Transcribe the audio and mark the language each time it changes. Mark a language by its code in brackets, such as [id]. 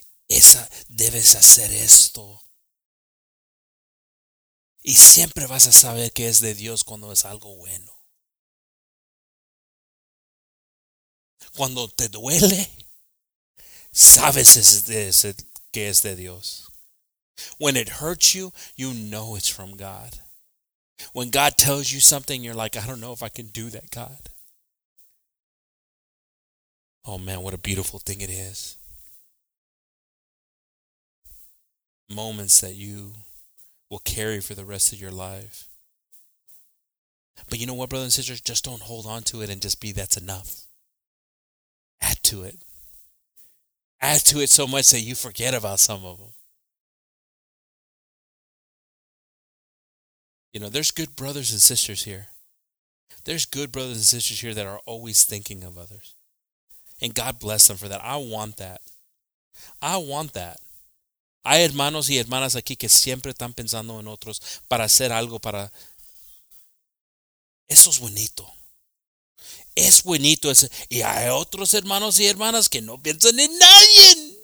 [es] Esa, debes hacer esto. Y siempre vas a saber que es de Dios cuando es algo bueno. Cuando te duele, sabes que es de Dios. [en] When it hurts you, you know it's from God. When God tells you something, you're like, I don't know if I can do that, God. Oh man, what a beautiful thing it is. Moments that you will carry for the rest of your life. But you know what, brothers and sisters? Just don't hold on to it and just be, that's enough. Add to it. Add to it so much that you forget about some of them. You know, there's good brothers and sisters here. There's good brothers and sisters here that are always thinking of others. And God bless them for that. I want that. I want that. [es] Hay hermanos y hermanas aquí que siempre están pensando en otros para hacer algo para... Eso es bonito. Es bonito. Ese... Y hay otros hermanos y hermanas que no piensan en nadie.